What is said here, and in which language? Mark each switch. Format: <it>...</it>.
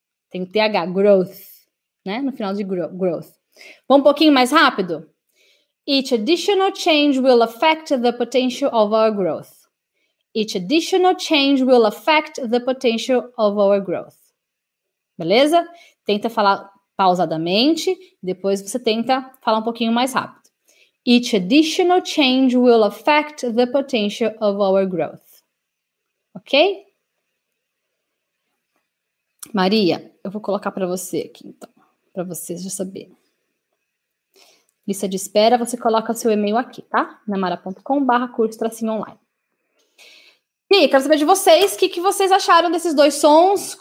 <pt>Tem o TH, growth, né? No final de growth. Vamos um pouquinho mais rápido?</pt> <en>Each additional change will affect the potential of our growth. Each additional change will affect the potential of our growth.</en> <pt>Beleza? Tenta falar pausadamente, depois você tenta falar um pouquinho mais rápido.</pt> <en>Each additional change will affect the potential of our growth. Ok?</en> <pt>Maria, eu vou colocar para você aqui, então, para você já saber. Lista de espera, você coloca o seu e-mail aqui, tá? namara.com/curso-online. E aí, quero saber de vocês, o que, que vocês acharam desses dois sons?</pt>